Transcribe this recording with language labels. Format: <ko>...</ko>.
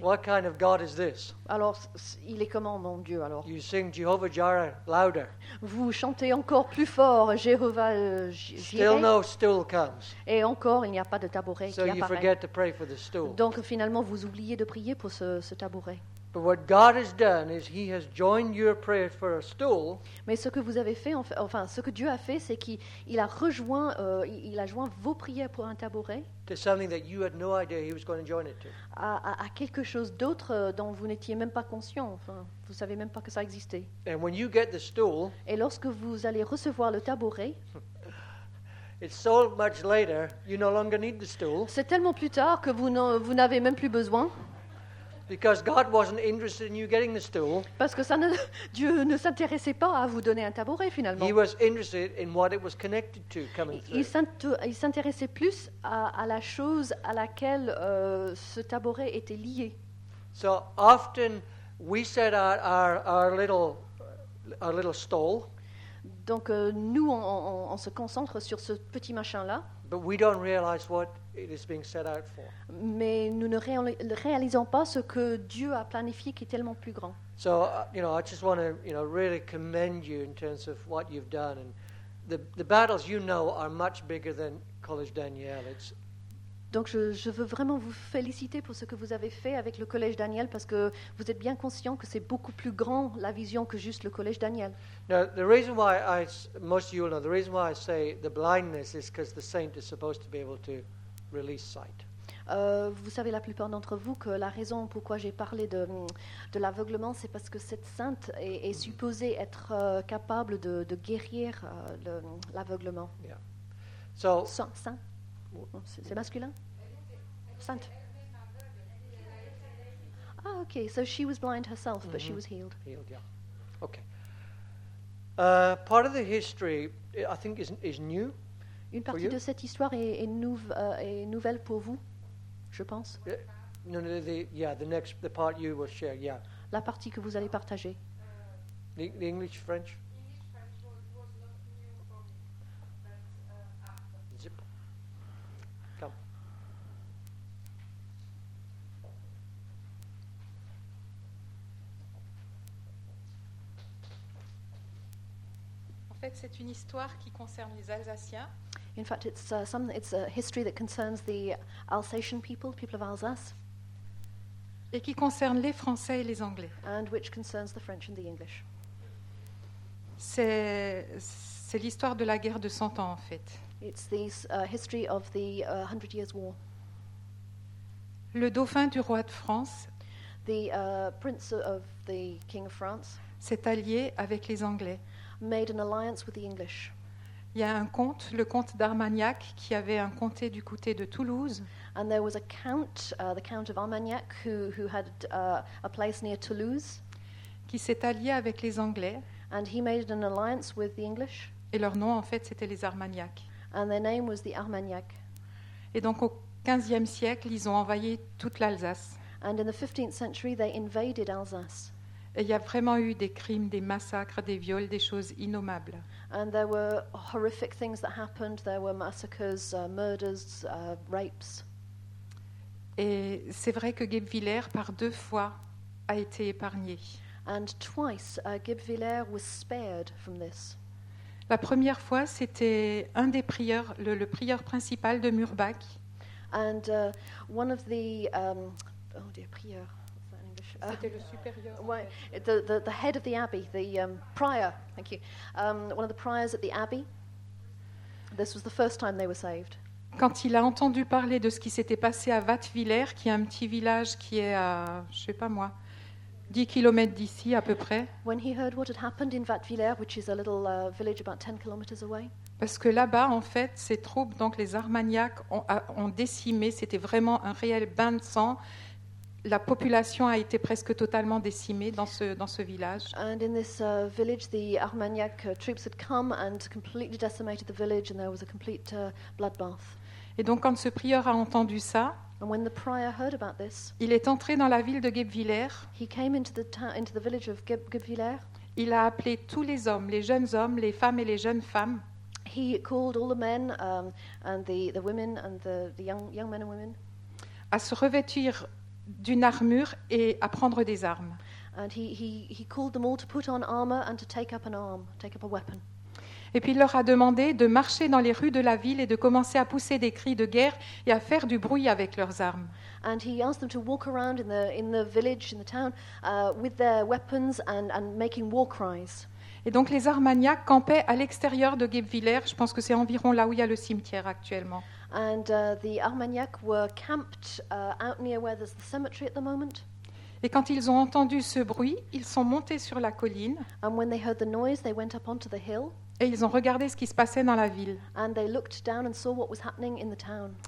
<en>What kind of God is this?</en> <fr>Alors, il est comment, mon Dieu, alors?</fr> <en>You sing Jehovah Jireh louder.</en> <fr>Vous chantez encore plus fort, Jehovah Jireh.</fr> <en>Still no stool comes.</en> <fr>Et encore, il n'y a pas de tabouret</fr> <en>so</en> <fr>qui apparaît.</fr> <en>You forget to pray for the stool.</en> <fr>Donc, finalement, vous oubliez de prier pour ce tabouret.</fr> <en>But what God has done is He has joined your prayer for a stool.</en> <fr>Mais ce que vous avez fait, enfin, ce que Dieu a fait, c'est qu'il a rejoint, il a joint vos prières pour un tabouret.</fr> <en>To something that you had no idea He was going to join it to.</en> <fr>À quelque chose d'autre dont vous n'étiez même pas conscient. Enfin, vous savez même pas que ça existait.</fr> <en>And when you get the stool.</en> <fr>Et lorsque vous allez recevoir le tabouret.</fr> <en>It's so much later, you no longer need the stool.</en> <fr>C'est tellement plus tard que vous n'avez même plus besoin.</fr> <en>Because God wasn't interested in you getting the stool.</en> <fr>Parce que Dieu ne s'intéressait pas à vous donner un tabouret finalement.</fr> <en>He was interested in what it was connected to coming through.</en> <fr>Il s'intéressait plus à la chose à laquelle ce tabouret était lié.</fr> <en>So often we set our little stall.</en> <fr>Donc nous on se concentre sur ce petit machin là.</fr> <en>But we don't realize what it is being set out for.</en> <fr>Mais nous ne réalisons pas ce que Dieu a planifié qui est tellement plus grand.</fr> <en>So, you know, I just want to, you know, really commend you in terms of what you've done. And the battles, you know, are much bigger than College Daniel. It's</en> <fr>Donc je veux vraiment vous féliciter pour ce que vous avez fait avec le Collège Daniel parce que vous êtes bien conscient que c'est beaucoup plus grand la vision que juste le Collège Daniel.</fr> <en>Now, the reason why I, most of you will know, the reason why I say the blindness is because the saint is supposed to be able to release sight.</en> <fr>Vous savez la plupart d'entre vous que la raison pourquoi j'ai parlé de l'aveuglement, c'est parce que cette sainte est supposée être capable de guérir l'aveuglement.</fr> <en>Yeah. So,</en> <fr>saint. C'est masculin? Sainte.</fr> <en>Ah, ok. So she was blind herself, mm-hmm. But she was healed. Healed, yeah. Ok. Part of the history, I think, is new.</en> <fr>Une partie de cette histoire est nouvelle pour vous, je pense.</fr> <en>The part you will share, yeah.</en> <fr>La partie que vous allez partager.</fr> <en>The English, French?</en> <fr>En fait, c'est une histoire qui concerne les Alsaciens.</fr> <en>In fact, it's a history that concerns the Alsatian people of Alsace.</en> <fr>Et qui concerne les Français et les Anglais.</fr> <en>And which concerns the French and the English.</en> <fr>C'est l'histoire de la guerre de 100 ans, en fait.</fr> <en>It's the history of the Hundred Years' War.</en> <fr>Le dauphin du roi de France.</fr> <en>The prince of the king of France.</en> <fr>S'est allié avec les Anglais.</fr> <en>Made an alliance with the English.</en> <fr>Il y a un comte, le comte d'Armagnac, qui avait un comté du côté de Toulouse.</fr> <en>And there was a count, the count of Armagnac, who had a place near Toulouse.</en> <fr>Qui s'est allié avec les Anglais.</fr> <en>And he made an alliance with the English.</en> <fr>Et leur nom, en fait, c'était les Armagnacs.</fr> <en>And their name was the Armagnac.</en> <fr>Et donc, au XVe siècle, ils ont envahi toute l'Alsace.</fr> <en>And in the 15th century, they invaded Alsace.</en> <fr>Et il y a vraiment eu des crimes, des massacres, des viols, des choses innommables.</fr> <en>And there were horrific things that happened. There were massacres, murders, rapes.</en> <fr>Et c'est vrai que Geb Vilaire, par deux fois, a été épargné.</fr> <en>And twice, Geb Vilaire was spared from this.</en> <fr>La première fois, c'était un des prieurs, le prieur principal de Murbach.</fr> <en>And one of the prieur.</en> <fr>C'était le supérieur. Ouais,</fr> <en>the head of the abbey, the prior. Thank you. One of the priors at the abbey. This was the first time they were saved.</en> <fr>Quand il a entendu parler de ce qui s'était passé à Wattwiller, qui est un petit village qui est à, je sais pas moi, 10 kilomètres d'ici à peu près.</fr> <en>When he heard what had happened in Wattwiller, which is a little village about 10 kilometers away.</en> <fr>Parce que là-bas, en fait, ces troupes, donc les Armagnacs, ont décimé. C'était vraiment un réel bain de sang. La population a été presque totalement décimée dans ce village.</fr> <en>And in this village, the Armagnac troops had come and completely decimated the village, and there was a complete bloodbath.</en> <fr>Et donc, quand ce prieur a entendu ça,</fr> <en>and when the prior heard about this,</en> <fr>il est entré dans la ville de Guebwiller.</fr> <en>He came into the village of Guebwiller.</en> <fr>Il a appelé tous les hommes, les jeunes hommes, les femmes et les jeunes femmes.</fr> <en>He called all the men and the women and the young men and women.</en> <fr>À se revêtir d'une armure et à prendre des armes.</fr> <en>And he called them all to put on armor and to take up an arm, take up a weapon.</en> <fr>Et puis il leur a demandé de marcher dans les rues de la ville et de commencer à pousser des cris de guerre et à faire du bruit avec leurs armes.</fr> <en>And he asked them to walk around in the village, in the town, with their weapons and making war cries.</en> <fr>Et donc les Armagnacs campaient à l'extérieur de Guebwiller. Je pense que c'est environ là où il y a le cimetière actuellement.</fr> <en>And the Armagnacs were camped out near where there's the cemetery at the moment.</en> <fr>Et quand ils ont entendu ce bruit, ils sont montés sur la colline.</fr> <en>And when they heard the noise, they went up onto the hill.</en> <fr>Et ils ont regardé ce qui se passait dans la ville.</fr> <en>And they looked down and saw what was happening in the town.</en>